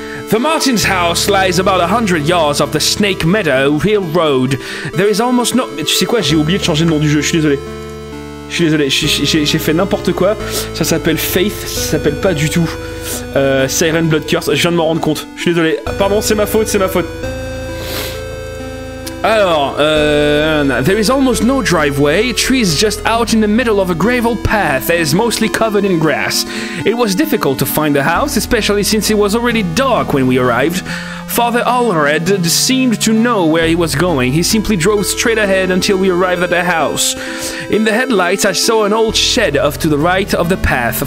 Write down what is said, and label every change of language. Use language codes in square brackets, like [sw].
[en] The Martin's house lies about 100 yards of the Snake Meadow Hill Road. There is almost no... [fr] Mais tu sais quoi? J'ai oublié de changer le nom du jeu. Je suis désolé. J'ai fait n'importe quoi. Ça s'appelle Faith. Ça s'appelle pas du tout Siren Blood Curse. Je viens de m'en rendre compte. Je suis désolé. Pardon, c'est ma faute. Alors... [en] turn. There is almost no driveway. Trees just out in the middle of a gravel path that is mostly covered in grass. It was difficult to find the house, especially since it was already dark when we arrived. Father Allred seemed to know where he was going. He simply drove straight ahead until we arrived at the house. In the headlights, I saw an old shed off to the right of the path.